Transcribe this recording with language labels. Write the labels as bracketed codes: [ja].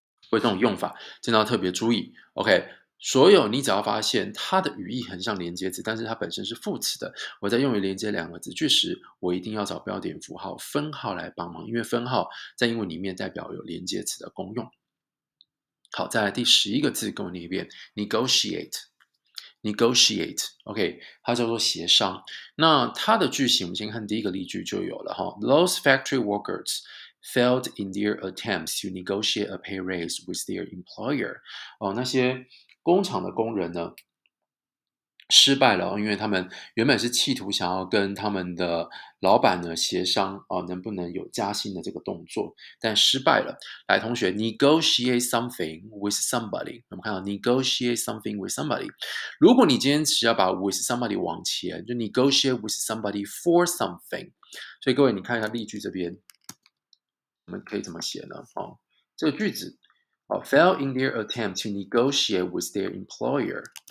[zh] 为这种用法，真的要特别注意。OK， 所有你只要发现它的语义很像连接词，但是它本身是副词的，我在用于连接两个子句时，我一定要找标点符号分号来帮忙，因为分号在英文里面代表有连接词的功用。好，再来第十一个字，跟我念一遍 ，negotiate，negotiate， OK， 它叫做协商。那它的句型，我们先看第一个例句就有了哈。 [en] Those factory workers failed in their attempts to negotiate a pay raise with their employer。 [zh] 哦，那些工厂的工人呢，失败了，因为他们原本是企图想要跟他们的老板呢协商啊，能不能有加薪的这个动作，但失败了。来，同学 [en] ，negotiate something with somebody。 [zh] 我们看到 [en] negotiate something with somebody。 [zh] 如果你今天只要把 [en] with somebody [zh] 往前，就 [en] negotiate with somebody for something。 [zh] 所以各位，你看一下例句这边，我们可以怎么写呢？啊，这个句子，啊 [en] ，fail in their attempt to negotiate with their employer。